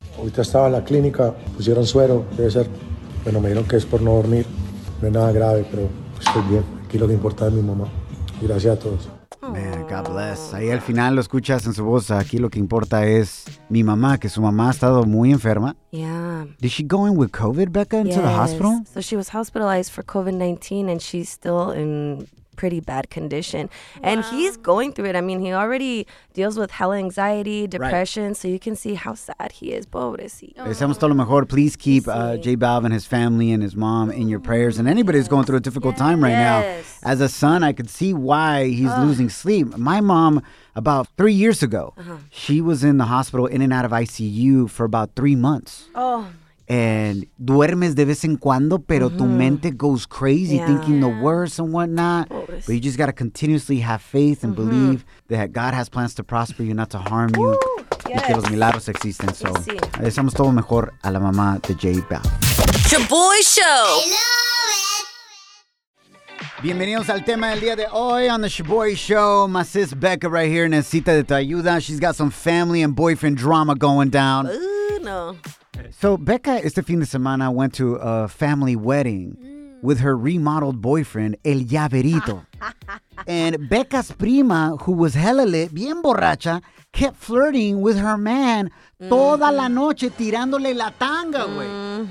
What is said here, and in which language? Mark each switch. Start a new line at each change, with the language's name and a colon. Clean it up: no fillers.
Spanish: Ahorita estaba en la clínica, pusieron suero, debe ser. Bueno, me dijeron que es por no dormir. No es nada grave, pero estoy bien. Aquí lo que importa es mi mamá. Gracias a todos.
English: Man, God bless.
Spanish: Ahí al final lo escuchas en su voz. Aquí lo que importa es mi mamá, que su mamá ha estado muy enferma.
English: Yeah. Did she go in with COVID, Becca, into yes. the hospital? So she was hospitalized for COVID-19 and she's still in pretty bad condition. Wow. And he's going through it. I mean, he already deals with hella anxiety, depression. Right. So you can see how sad he is.
Spanish: Pobrecito. Deseamos todo lo mejor.
English: Please keep J Balvin, his family, and his mom in your prayers. And anybody who's going through a difficult time right now. As a son, I could see why he's losing sleep. My mom, about 3 years ago, she was in the hospital in and out of ICU for about 3 months. Oh. And duermes de vez en cuando, pero tu mente goes crazy thinking the worst and whatnot. But you just got to continuously have faith and believe that God has plans to prosper you, not to harm you. Yes.
Spanish: Y que los milagros existen. So, deseamos todo mejor a la mamá de Jay Bell.
English: Your boy show.
Spanish: Bienvenidos al tema del día de hoy on the Shaboy Show.
English: My sis Becca right here, necesita de tu ayuda. She's got some family and boyfriend drama going down. So Becca, este fin de semana, went to a family wedding with her remodeled boyfriend, El Llaverito. And Becca's prima, who was hella lit, bien borracha, kept flirting with her man toda la noche, tirándole la tanga, güey.